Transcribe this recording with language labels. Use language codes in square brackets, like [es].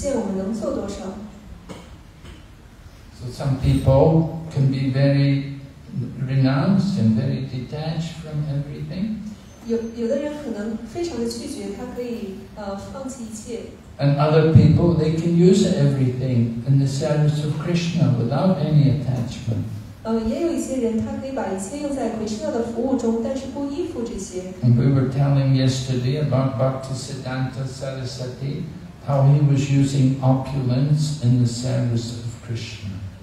[en] So some people can be very renounced and very detached from everything. [zh] 有的人可能非常的拒绝，他可以放弃一切。 [en] And other people, they can use everything in the service of Krishna without any attachment. [zh] 也有一些人，他可以把一切用在Krishna的服务中，但是不依附这些。 [en] And we were telling yesterday about Bhakti Siddhanta Sarasati, how he was using opulence in the service of Krishna.